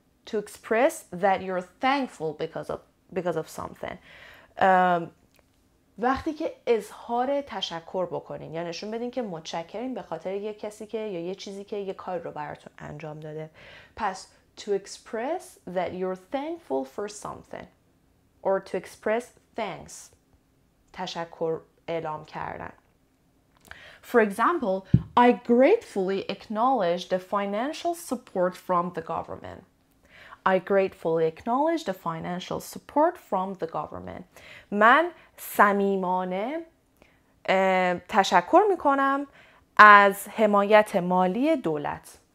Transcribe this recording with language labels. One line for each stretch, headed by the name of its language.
English: To express that you're thankful because of something.
Persian: وقتی که اظهار تشکر بکنین یا نشون بدین که متشکرین به خاطر یه کسی که یا یه چیزی که یه کار رو براتون انجام داده.
English: پس to express that you're thankful for something or to express thanks.
Persian: تشکر اعلام کردن.
English: For example, I gratefully acknowledge the financial support from the government. I gratefully acknowledge the financial support from the government.
Persian: من صمیمانه تشکر میکنم از حمایت مالی دولت.